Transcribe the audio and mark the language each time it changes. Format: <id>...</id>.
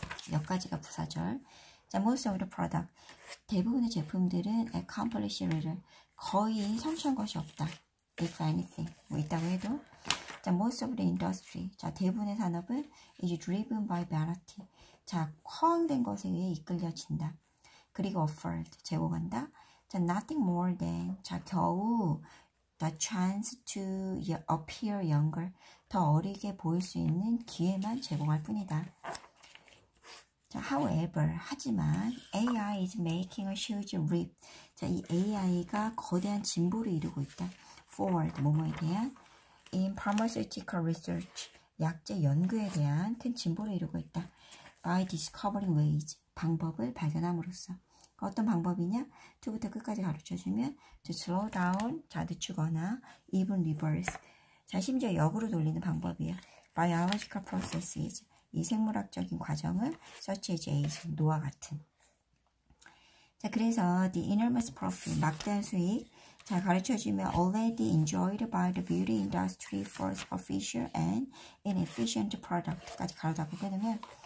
<ko>몇 가지가 부사절 자</ko> <en>most of the product</en> <ko>대부분의 제품들은 accomplish를 거의 성취한 것이 없다</ko> <en>if anything</en> <ko>뭐 있다고 해도 자</ko> <en>most of the industry</en> <ko>자 대부분의 산업은</ko> <en>is driven by vanity</en> <ko>자 허황된 것에 의해 이끌려진다 그리고 offered 제공한다 자,</ko> <en>nothing more than,</en> <ko>자, 겨우,</ko> <en>the chance to appear younger,</en> <ko>더 어리게 보일 수 있는 기회만 제공할 뿐이다.</ko> <en>자, however,</en> <ko>하지만,</ko> <en>AI is making a huge leap.</en> <ko>자, 이 AI가 거대한 진보를 이루고 있다. forward, 뭐뭐에 대한,</ko> <en>in pharmaceutical research,</en> <ko>약제 연구에 대한 큰 진보를 이루고 있다.</ko> <en>by discovering ways,</en> <ko>방법을 발견함으로써. 어떤 방법이냐? 2부터 끝까지 가르쳐주면 to slow down, 자, 늦추거나</ko> <en>even reverse,</en> <ko>자, 심지어 역으로 돌리는 방법이야</ko> <en>biological processes,</en> <ko>이 생물학적인 과정을</ko> <en>such as aging,</en> <ko>노화 같은</ko> <en>자, 그래서 the enormous profit,</en> <ko>막대한 수익</ko> <en>자, 가르쳐주면 already enjoyed by the beauty industry for official and inefficient product까지</en> <ko>가르다고 끊으면</ko>